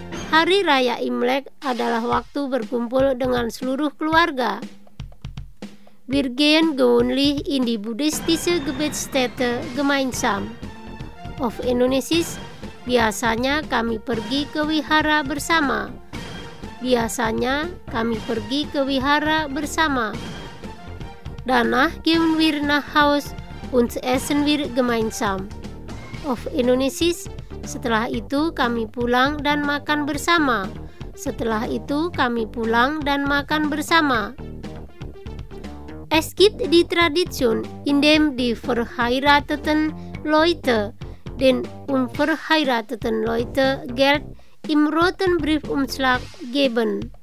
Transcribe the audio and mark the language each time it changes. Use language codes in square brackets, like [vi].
[id] Hari Raya Imlek adalah waktu berkumpul dengan seluruh keluarga. [de] Wir gehen gewöhnlich in die buddhistische Gebetsstätte gemeinsam. Of Indonesisch, [id] biasanya kami pergi ke wihara bersama. Biasanya kami pergi ke wihara bersama. [de] Danach gehen wir nach Haus und essen wir gemeinsam. Of Indonesisch, [id] setelah itu kami pulang dan makan bersama. Setelah itu kami pulang dan makan bersama. [de] Es gibt die Tradition, indem die verheirateten Leute den unverheirateten Leute Geld im roten Briefumschlag geben.